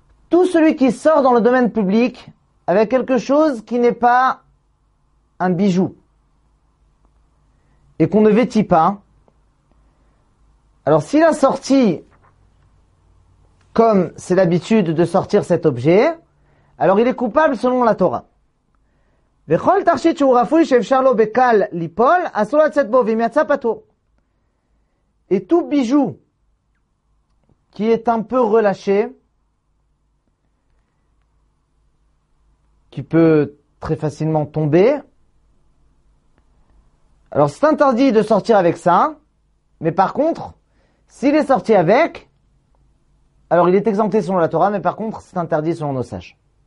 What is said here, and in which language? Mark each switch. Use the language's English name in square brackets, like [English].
[French] Tout celui qui sort dans le domaine public avec quelque chose qui n'est pas un bijou et qu'on ne vêtit pas, alors s'il a sorti comme c'est l'habitude de sortir cet objet, alors il est coupable selon la Torah. [Hebrew] וכל תכשיט שהוא רפוי שאפשר לו בקל ליפול, אסור לצאת בו, ואם יצא פתור. [French] Et tout bijou qui est un peu relâché, qui peut très facilement tomber, alors c'est interdit de sortir avec ça, mais par contre, s'il est sorti avec, alors il est exempté selon la Torah, mais par contre, c'est interdit selon nos sages.